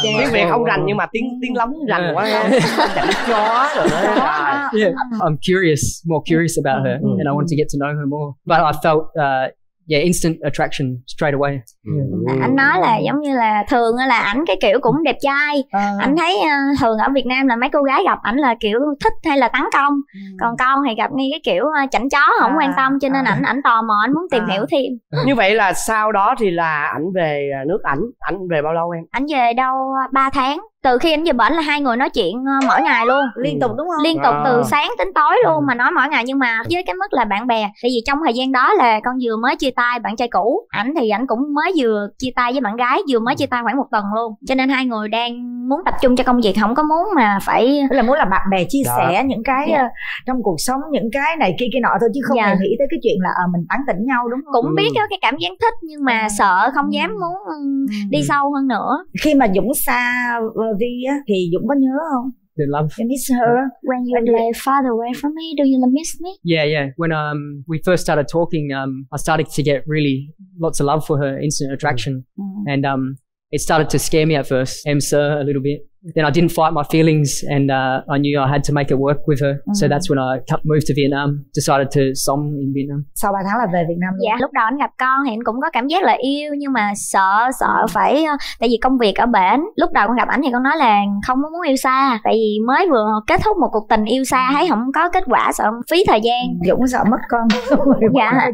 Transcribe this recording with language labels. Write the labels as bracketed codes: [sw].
[vi] Tiếng Việt không rành nhưng mà tiếng lóng rành quá. Chó rồi. [en] Yeah, I'm more curious about her and I want to get to know her more, but I felt instant attraction straight away. [vi] Anh nói là giống như là thường là ảnh cái kiểu cũng đẹp trai. Anh thấy thường ở Việt Nam là mấy cô gái gặp ảnh là kiểu thích hay là tấn công. Còn con thì gặp ngay cái kiểu chảnh chó không quan tâm, cho nên ảnh tò mò, ảnh muốn tìm hiểu thêm. Như vậy là sau đó thì là ảnh về nước ảnh. Ảnh về bao lâu em? Ảnh về đâu 3 tháng. Từ khi anh về bển là hai người nói chuyện mỗi ngày luôn. Liên tục đúng không? Liên tục từ sáng tới tối luôn mà nói mỗi ngày. Nhưng mà với cái mức là bạn bè, tại vì trong thời gian đó là con vừa mới chia tay bạn trai cũ. Ảnh thì ảnh cũng mới vừa chia tay với bạn gái, vừa mới chia tay khoảng một tuần luôn. Cho nên hai người đang muốn tập trung cho công việc, không có muốn mà phải... Là muốn là bạn bè chia sẻ những cái trong cuộc sống, những cái này kia kia nọ thôi, chứ không hề nghĩ tới cái chuyện là mình tán tỉnh nhau đúng không? Cũng biết cái cảm giác thích nhưng mà sợ không dám muốn đi sâu hơn nữa. Khi mà Dũng xa Vi á thì Dũng có nhớ không? [en] Love. I miss her. When you lay far away from me, do you miss me? Yeah. When we first started talking, I started to get really lots of love for her, instant attraction. And it started to scare me at first, sir a little bit. Then I didn't fight my feelings and I knew I had to make it work with her. So that's when I moved to Vietnam, decided to [vi] sống [en] in Vietnam. [vi] Sau 3 tháng là về Việt Nam luôn. Dạ, lúc đó anh gặp con thì anh cũng có cảm giác là yêu, nhưng mà sợ phải, tại vì công việc ở bển. Lúc đầu con gặp anh thì con nói là không muốn yêu xa, tại vì mới vừa kết thúc một cuộc tình yêu xa, thấy không có kết quả, sợ phí thời gian. Dũng sợ mất con. Dạ.